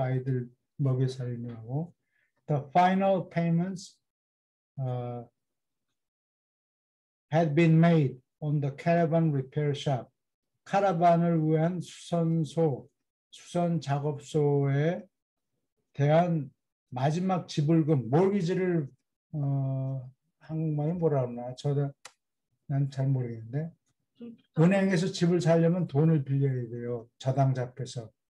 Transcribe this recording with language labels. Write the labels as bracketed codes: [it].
[ko] 아이들 먹여 살리느라고. [en] The final payments had been made on the caravan repair shop. [ko] 카라반을 위한 수선소, 수선 작업소에 대한 마지막 지불금, 모기지를 한국말은 뭐라 그러나? 저도 난 잘 모르겠는데. 은행에서 집을 사려면 돈을 빌려야 돼요. 저당 잡혀서.